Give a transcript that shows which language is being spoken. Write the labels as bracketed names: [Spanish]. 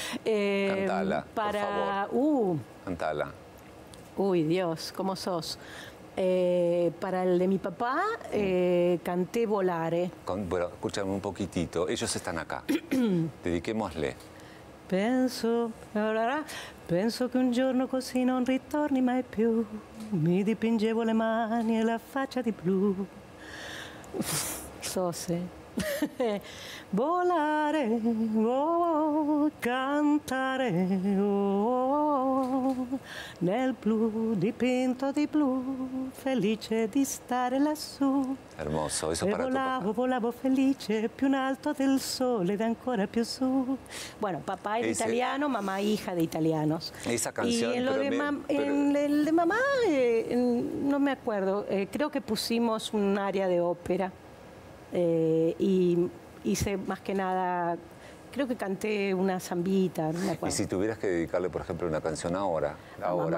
[Spanish] Cantala, para, por favor. Cantala. Uy, Dios, ¿cómo sos? Para el de mi papá, canté Volare. Bueno, escúchame un poquitito. Ellos están acá. Dediquémosle. [Italian] Penso... Penso che un giorno così non ritorni mai più. Mi dipingevo le mani e la faccia di blu. Sose. Volare, oh, cantare, oh, nel blu, dipinto di blu, felice di stare lassù. [Spanish] Hermoso, [Italian] hai superato. Volavo, volavo felice, più in alto del sole ed ancora più su. [Spanish] Bueno, [Italian] papà è italiano, [Spanish] mamá hija de italianos. Esa [Italian] canzone, [Spanish] pero... En lo de mamá, [Italian] non [Spanish] me acuerdo, creo que pusimos un aria de ópera. Y hice más que nada, creo que canté una zambita. No, y si tuvieras que dedicarle, por ejemplo, una canción ahora, ahora,